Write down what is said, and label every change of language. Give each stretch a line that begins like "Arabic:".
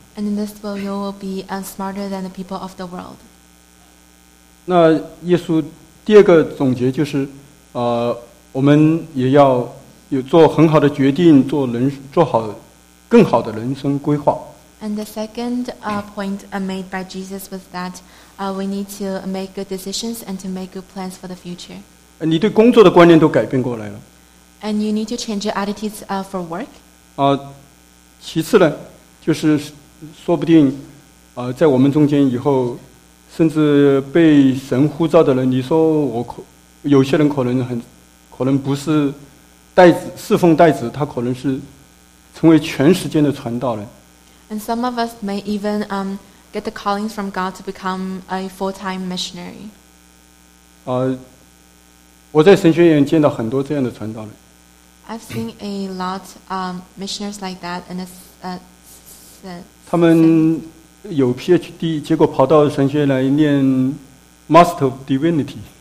English: ？And in this world, you will be smarter than the people of the world.
Chinese: 那耶稣第二个总结就是，我们也要。有做很好的决定，做好更好的人生规划。
English: And the second point made by Jesus was that we need to make good decisions and to make good plans for the future.
Chinese: 你对工作的观念都改变过来了。
English: And you need to change your attitudes for work.
Chinese: 其次呢，就是说不定在我们中间以后，甚至被神呼召的人，你说有些人可能不是。侍奉代子，他可能是成为全时间的传道人。
English: And some of us may even get the callings from God to become a full-time missionary.
Chinese: 我在神学院见到很多这样的传道人。
English: I've seen a lot missionaries like that in a sense.
Chinese: 他们有 PhD， 结果跑到神学院来念 Master of Divinity。